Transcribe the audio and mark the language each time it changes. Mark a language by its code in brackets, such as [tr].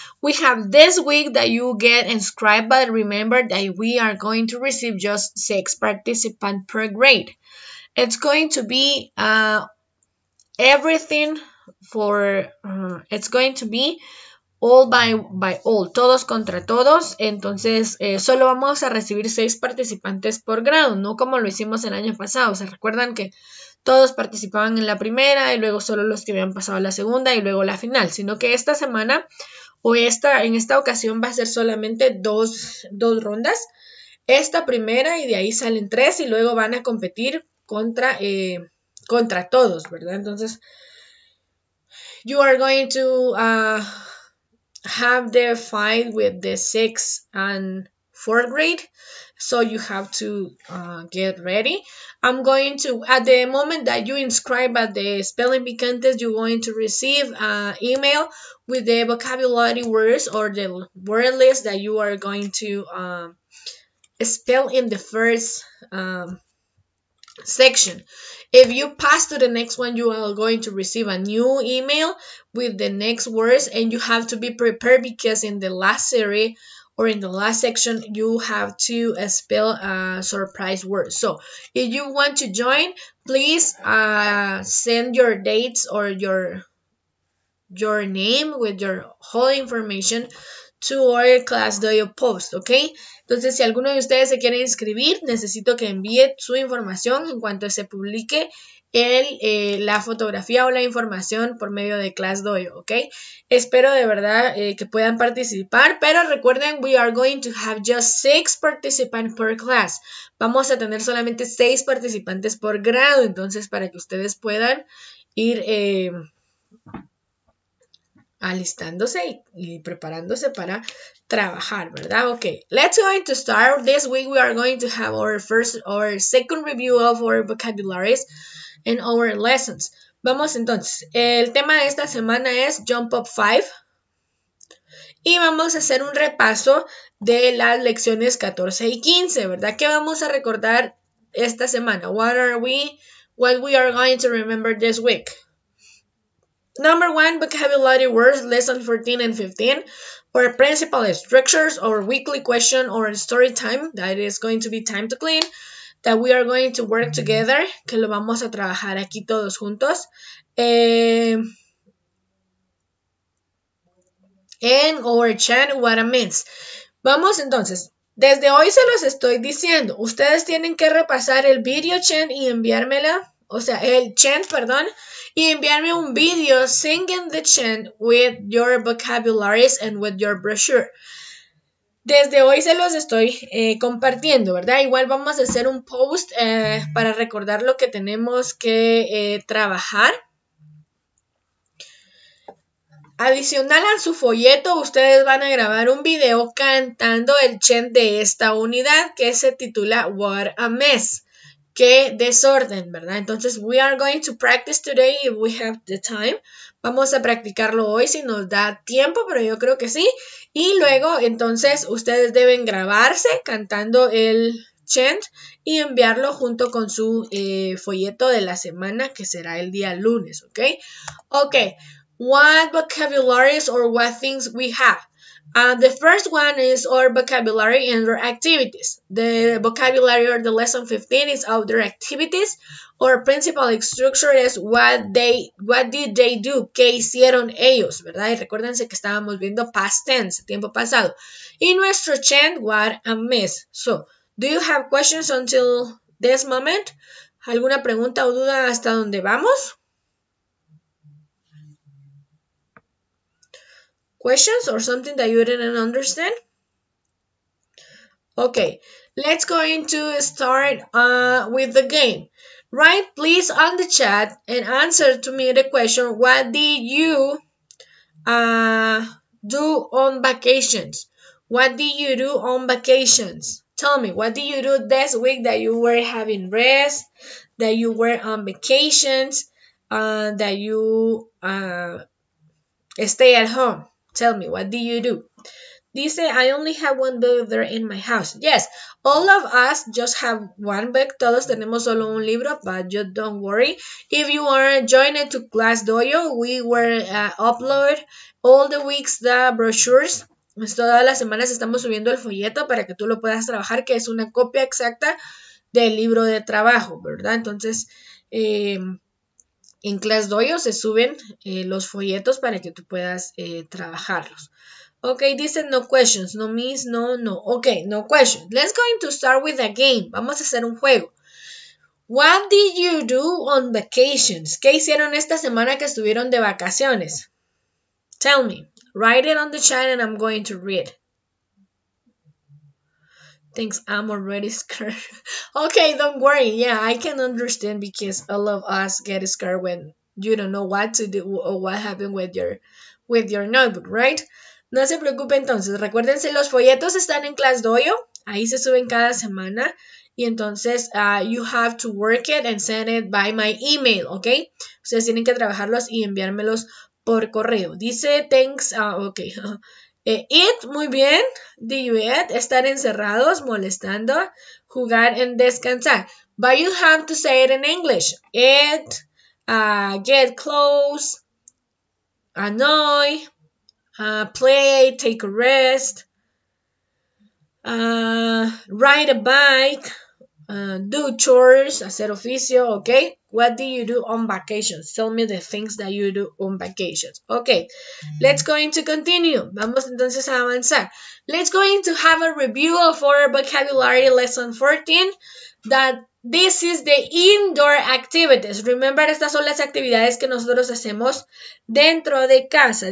[en] We have this week that you get inscribed, but remember that we are going to receive just 6 participants per grade. It's going to be everything for, it's going to be all by all, [es] todos contra todos. Entonces, solo vamos a recibir 6 participantes por grado, no como lo hicimos el año pasado. ¿Se recuerdan que todos participaban en la primera y luego solo los que habían pasado a la segunda y luego la final? Sino que esta semana o esta en esta ocasión va a ser solamente dos rondas. Esta primera y de ahí salen 3 y luego van a competir contra todos, ¿verdad? [en] Entonces, you are going to have the fight with the 6th and 4th grade, so you have to get ready. I'm going to, at the moment that you inscribe at the spelling bee contest, you're going to receive an email with the vocabulary words or the word list that you are going to spell in the first section. If you pass to the next one, you are going to receive a new email with the next words, and you have to be prepared because in the last series or in the last section, you have to spell a surprise word. So if you want to join, please send your dates or your name with your whole information to our class do you post, ¿ok? [es] Entonces, si alguno de ustedes se quiere inscribir, necesito que envíe su información en cuanto se publique la fotografía o la información por medio de ClassDojo, ¿ok? Espero de verdad que puedan participar, pero recuerden, [en] we are going to have just 6 participants per class. [es] Vamos a tener solamente 6 participantes por grado, entonces para que ustedes puedan ir alistándose y preparándose para trabajar, ¿verdad? [en] Ok, let's go to start. This week we are going to have our second review of our vocabularies and our lessons. [es] Vamos entonces, el tema de esta semana es Jump Up 5 y vamos a hacer un repaso de las lecciones 14 y 15, ¿verdad? ¿Qué vamos a recordar esta semana? [en] What we are going to remember this week? Number 1, vocabulary words, lesson 14 and 15, our principal structures, our weekly question, or story time, that is going to be time to clean, that we are going to work together, [es] que lo vamos a trabajar aquí todos juntos, [en] and our chat, what it means. [es] Vamos entonces, desde hoy se los estoy diciendo, ustedes tienen que repasar el video chat y enviármela. O sea, el chant, perdón, y enviarme un video [en] singing the chant with your vocabularies and with your brochure. [es] Desde hoy se los estoy compartiendo, ¿verdad? Igual vamos a hacer un post para recordar lo que tenemos que trabajar. Adicional a su folleto, ustedes van a grabar un video cantando el chant de esta unidad que se titula What a Mess. Qué desorden, ¿verdad? Entonces, [en] we are going to practice today if we have the time. [es] Vamos a practicarlo hoy si nos da tiempo, pero yo creo que sí. Y luego, entonces, ustedes deben grabarse cantando el chant y enviarlo junto con su folleto de la semana, que será el día lunes, ¿ok? [en] Ok, what vocabularies or what things we have? The first one is our vocabulary and our activities. The vocabulary or the lesson 15 is outdoor activities. Our principal structure is what did they do? [es] ¿Qué hicieron ellos? ¿Verdad? Y recuérdense que estábamos viendo past tense, tiempo pasado. Y nuestro chant, [en] what a mess. So, do you have questions until this moment? [es] ¿Alguna pregunta o duda hasta dónde vamos? [en] Questions or something that you didn't understand? Okay, let's go into start with the game. Write please on the chat and answer to me the question, what did you do on vacations? What did you do on vacations? Tell me, what did you do this week that you were having rest, that you were on vacations, that you stay at home? Tell me, what do you do? Dice, I only have one book there in my house. Yes, all of us just have one book. [es] Todos tenemos solo un libro, [en] but just don't worry. If you are joining to ClassDojo, we will upload all the weeks the brochures. [es] Todas las semanas estamos subiendo el folleto para que tú lo puedas trabajar, que es una copia exacta del libro de trabajo, ¿verdad? Entonces, en ClassDojo se suben los folletos para que tú puedas trabajarlos. [en] Ok, dice no questions, no means, no, no. Ok, no questions. Let's going to start with a game. [es] Vamos a hacer un juego. [en] What did you do on vacations? [es] ¿Qué hicieron esta semana que estuvieron de vacaciones? [en] Tell me. Write it on the chat and I'm going to read. Thinks I'm already scared. Okay, don't worry. Yeah, I can understand because all of us get scared when you don't know what to do or what happened with your notebook, right? [es] No se preocupe entonces. Recuérdense, los folletos están en ClassDojo. Ahí se suben cada semana. Y entonces, [en] you have to work it and send it by my email, okay? [es] Ustedes tienen que trabajarlos y enviármelos por correo. [en] Dice, thanks, okay. Eat, [es] muy bien. [en] Do you eat? [es] Estar encerrados, molestando, jugar y descansar. [en] But you have to say it in English. Eat, get clothes, annoy, play, take a rest, ride a bike, Do chores, [es] hacer oficio, [en] okay? What do you do on vacations? Tell me the things that you do on vacations. Okay, let's going to continue. [es] Vamos entonces a avanzar. [en] Let's going to have a review of our vocabulary lesson 14. That this is the indoor activities. Remember, [es] estas son las actividades que nosotros hacemos dentro de casa.